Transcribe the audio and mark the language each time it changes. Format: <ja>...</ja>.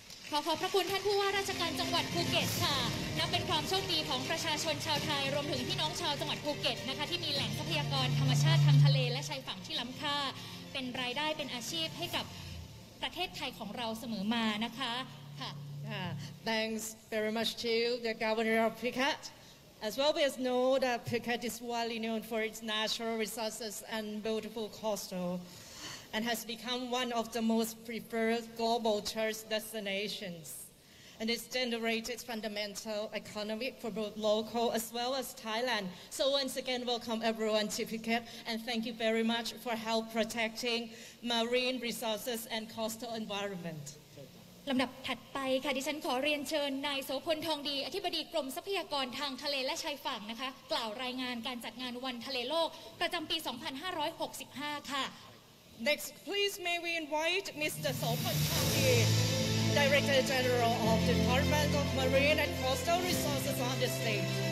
<th>ขอขอบพระคุณท่านผู้ว่าราชการจังหวัดภูเก็ตค่ะนับเป็นความโชคดีของประชาชนชาวไทยรวมถึงพี่น้องชาวจังหวัดภูเก็ตนะคะที่มีแหล่งทรัพยากรธรรมชาติทางทะเลและชายฝั่งที่ล้ำค่าเป็นรายได้เป็นอาชีพให้กับประเทศไทยของเราเสมอมานะคะค่ะ</th> <en>Thanks very much to the Governor of Phuket as well as know that Phuket is widely known for its natural resources and beautiful coastal. And has become one of the most preferred global tourist destinations, and it's generated fundamental economy for both local as well as Thailand. So once again, welcome everyone to Phuket, and thank you very much for help protecting marine resources and coastal environment.</en> <th>ลำดับถัดไปค่ะดิฉันขอเรียนเชิญนายโสพลทองดีอธิบดีกรมทรัพยากรทางทะเลและชายฝั่งนะคะกล่าวรายงานการจัดงานวันทะเลโลกประจำปี2565ค่ะ</th> <en>Next, please may we invite Mr. Sopon Thongdee. Director General of the Department of Marine and Coastal Resources of the state.</en>